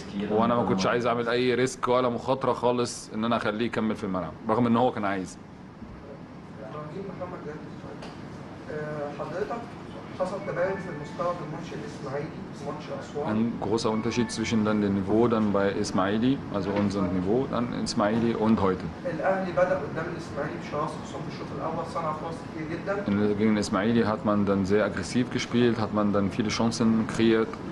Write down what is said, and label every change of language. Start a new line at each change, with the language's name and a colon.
Arabic: وانا ما كنتش عايز اعمل اي ريسك ولا مخاطره خالص ان انا اخليه يكمل في الملعب، رغم ان هو كان عايز. محمد جاهز، حضرتك حصل تباين في المستوى في الماتش الاسماعيلي وماتش اسوان.
German: Ein großer Unterschied zwischen dann den Niveau dann bei Ismaili, also unserem Niveau dann in Ismaili und heute.
Arabic: الاهلي بدا قدام الاسماعيلي بشراسه خصوصا في الشوط الاول، صنع فرص كتير جدا.
German: In Ismaili hat man dann sehr aggressiv gespielt, hat man dann viele Chancen kreiert.